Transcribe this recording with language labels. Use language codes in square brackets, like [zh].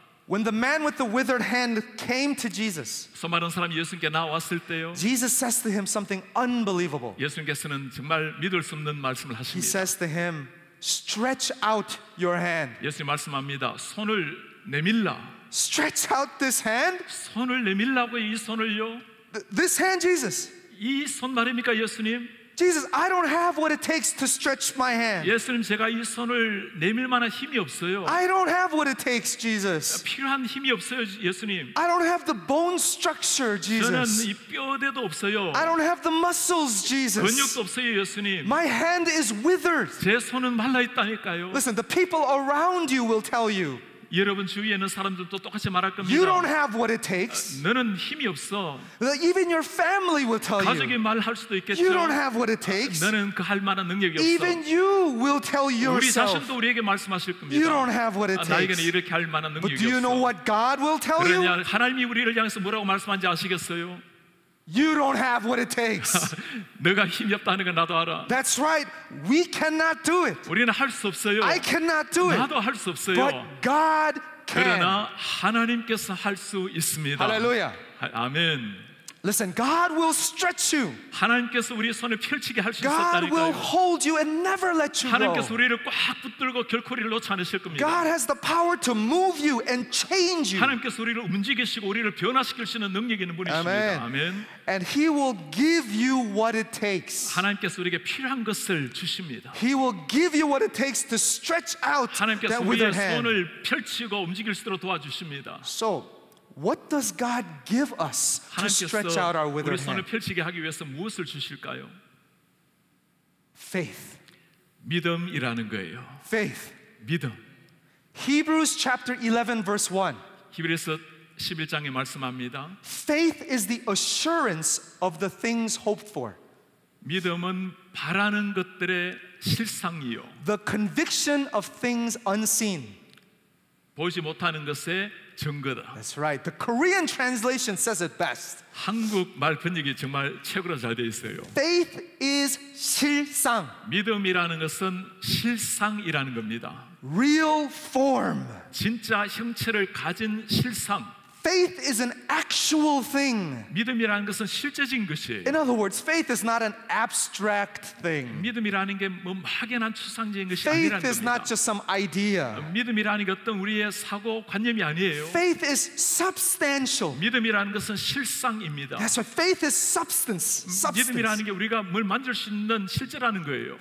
[en] When the man with the withered hand came to Jesus. [ko] 손 마른 사람이 예수님께 나왔을 때요. [en] Jesus says to him something unbelievable. [ko] 예수님께서는 정말 믿을 수 없는 말씀을 하십니다. [en] He says to him, "Stretch out your hand." [ko] 예수님 말씀합니다. 손을 내밀라. [en] Stretch out this hand. [ko] 손을 내밀라고 이 손을요. [en] This hand, Jesus. [ko] 이 손 말입니까, 예수님? [en] Jesus, I don't have what it takes to stretch my hand. [ko] 예수님, 제가 이 손을 내밀 만한 힘이 없어요. [en] I don't have what it takes, Jesus. [ko] 필요한 힘이 없어요, 예수님. [en] I don't have the bone structure, Jesus. [ko] 저는 이 뼈대도 없어요. [en] I don't have the muscles, Jesus. [ko] 근육도 없어요, 예수님. [en] My hand is withered. [ko] 제 손은 말라 있다니까요. [en] Listen, the people around you will tell you. [ko] 여러분 주위에 있는 사람들도 똑같이 말할 겁니다. [en] You don't have what it takes. [ko] 너는 힘이 없어. [en] Even your family will tell you. [ko] 가족이 말할 수도 있겠죠. [en] You don't have what it takes. [ko] 너는 그 할 만한 능력이 없어. [en] Even you will tell yourself. [ko] 우리 자신도 우리에게 말씀하실 겁니다. [en] You don't have what it takes. [ko] 나에게는 이렇게 할 만한 능력이 없어. [en] But do you know what God will tell you? [ko] 그러냐 하나님이 우리를 향해서 뭐라고 말씀하는지 아시겠어요? [en] You don't have what it takes. [ko] 네가 힘이 없다는 건 나도 알아. [en] That's right. We cannot do it. [ko] 우리는 할 수 없어요. [en] I cannot do it. [ko] 나도 할 수 없어요. [en] But God can. [ko] 그러나 하나님께서 할 수 있습니다. [en] Hallelujah. [ko] 아멘. [en] Listen, God will stretch you. [ko] 하나님께서 우리 손을 펼치게 할 수 있었다니까요. [en] God will hold you and never let you go. [ko] 하나님께서 우리를 꽉 붙들고 결코 우리를 놓지 않으실 겁니다. [en] God has the power to move you and change you. [ko] 하나님께서 우리를 움직이시고 우리를 변화시키시는 능력이 있는 분이십니다. 아멘. [en] And he will give you what it takes. [ko] 하나님께서 우리에게 필요한 것을 주십니다. [en] He will give you what it takes to stretch out that withered hand. [ko] 하나님께서 우리의 손을 펼치고 움직일 수 있도록 도와주십니다. [en] So what does God give us to stretch out our withered hand? [ko] 우리 손을 펼치게 하기 위해서 무엇을 주실까요? [en] Faith. [ko] 믿음이라는 거예요. [en] Faith. [ko] 믿음. [en] Hebrews chapter 11 verse 1. [ko] 히브리서 11장에 말씀합니다. [en] Faith is the assurance of the things hoped for. [ko] 믿음은 바라는 것들의 실상이요. [en] The conviction of things unseen. [ko] 보지 못하는 것의 증거다. [en] That's right. The Korean translation says it best. [ko] 한국 말 번역이 정말 최고로 잘 돼 있어요. [en] Faith is 실상. [ko] 믿음이라는 것은 실상이라는 겁니다. [en] Real form. [ko] 진짜 형체를 가진 실상. [en] Faith is an actual thing. [ko] 믿음이라는 것은 실제적인 것이에요. [en] In other words, faith is not an abstract thing. [ko] 믿음이라는 게 뭐 막연한 추상적인 것이 [en] faith [ko] 아니라는 겁니다. [en] Faith is not just some idea. [ko] 믿음이라는 게 어떤 우리의 사고 관념이 아니에요. [en] Faith is substantial. [ko] 믿음이라는 것은 실상입니다. [en] That's right. Faith is substance. [ko] 믿음이라는 게 우리가 뭘 만질 수 있는 실제라는 거예요.